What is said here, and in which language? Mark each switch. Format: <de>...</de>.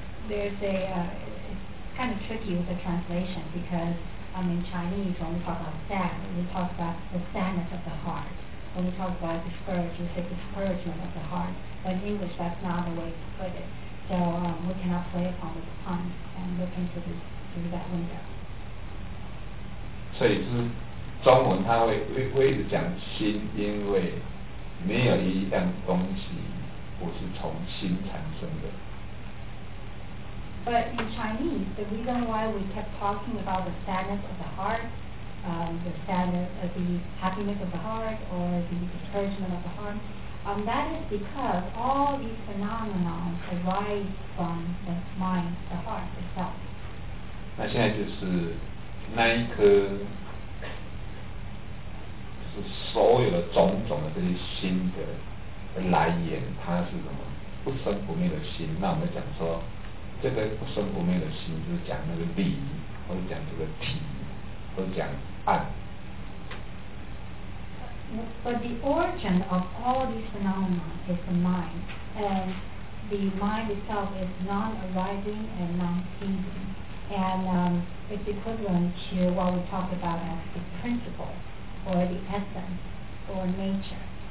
<en>There's a kind of tricky with the translation because in Chinese when we talk about sad, we talk about the sadness of the heart. When we talk about discouraged, we say discouragement of the heart. But in English, that's not the way to put it. So we cannot play upon the pun and look into this through that window.</en> <zh>所以是中文它会一直讲心，因为没有一样东西不是从心产生的。</zh> <en>But in Chinese, the reason why we kept talking about the sadness of the heart, the sadness of the happiness of the heart, or the discouragement of the heart, that is because all these phenomena arise from the mind, the heart itself.</en> <zh>那现在就是那一颗，就是所有的种种的这些心的来源，它是什么？不生不灭的心。那我们讲说，这个不生不灭的心，就是讲那个理，或者讲这个体，或者讲暗。</zh> <en>But the origin of all these phenomena is the mind, and the mind itself is non-arising and non-seeing. And it's equivalent to what we talk about as the principle, or the essence, or nature.</en>